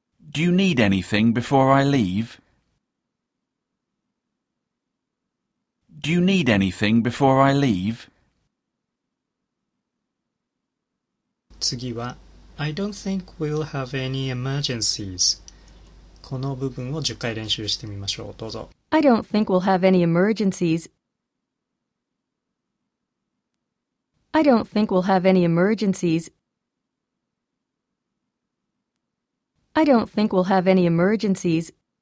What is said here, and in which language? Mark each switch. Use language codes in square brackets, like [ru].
[en] Do you need anything before I leave? Do you need anything before I leave? [ja] 次は [en] I don't think we'll have any emergencies. [ja] この部分を10回練習してみましょう。どうぞ。 [en] I don't think we'll have any emergencies. I don't think we'll have any emergencies. I don't think we'll have any emergencies.